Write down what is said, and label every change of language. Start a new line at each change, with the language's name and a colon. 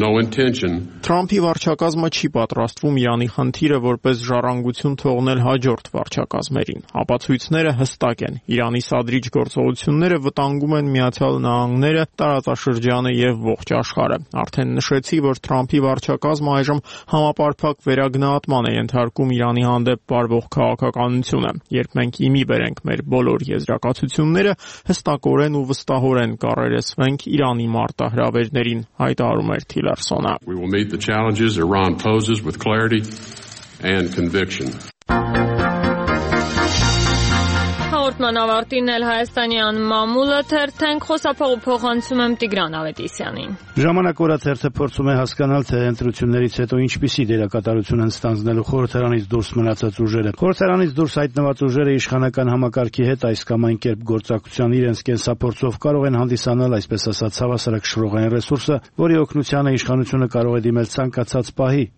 Armenian: Թրամփի վարչակազմը չի պատրաստվում Իրանի խնդիրը որպես ժառանգություն թողնել հաջորդ վարչակազմերին։ Ապացույցները հստակ են, Իրանի սադրիչ գործողությունները վտանգում են Միացյալ Նահանգները, տարածաշրջանը և ողջ աշխարհը։ Արդեն նշեցի, որ Թրամփի վարչակազմը այժմ համապարփակ վերագնահատման է ենթարկում Իրանի հանդեպ պարվող քաղաքականությունը։ Երբ մենք իմի բերենք մեր բոլոր եզրակացությունները, հստակորեն ու վստահորեն կառերեսվենք Իրանի մարտահրավերներին, հայտարարում էր Թիլերսոնը։
English: We will meet the challenges Iran poses with clarity and conviction.
Armenian: Հաղորդման ավարտին էլ Հայաստանի անմամուլը թերթենք, խոսափողը փոխանցում եմ Տիգրան Ավետիսյանին։ Ժամանակօրաց հերթը փորձում է հասկանալ, թե ընտրություններից հետո ինչպիսի դերակատարություն են ստանձնելու խորհրդարանից դուրս մնացած ուժերը։ Խորհրդարանից դուրս հայտնված ուժերը իշխանական համակարգի հետ այս կամ այն կերպ գործակցության իրենց կենսափորձով կարող են հանդիսանալ, այսպես ասած, հավասարակ շրողային ռեսուրսը, որի օգնությանը իշխանությունը կարող է դիմել ցանկացած պահի,